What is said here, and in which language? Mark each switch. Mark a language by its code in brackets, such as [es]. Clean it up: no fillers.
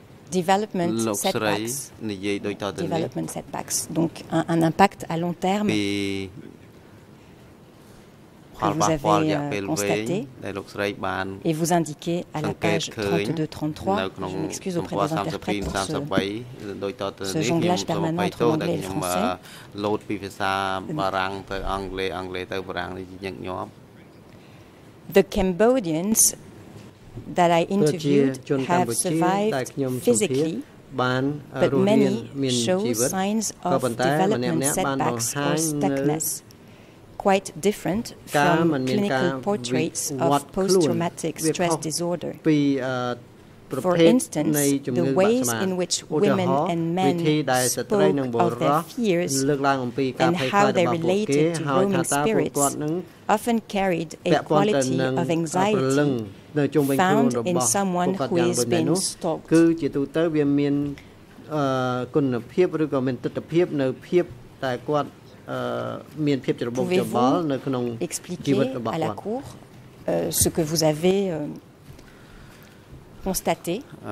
[en] development setbacks, [fr] donc un impact à long terme que vous avez constaté et vous indiquez à la page 32-33, je m'excuse auprès des interprètes pour ce jonglage permanent entre l'anglais et le français. [en] The Cambodians that I interviewed have survived physically, but many show signs of development setbacks or stuckness, quite different from clinical portraits of post-traumatic stress disorder. For instance, the ways in which women and men spoke of their fears and how they related to roaming spirits often carried a quality of anxiety found in someone who has been stalked. [fr] Pouvez-vous expliquer à la cour ce que vous avez constaté?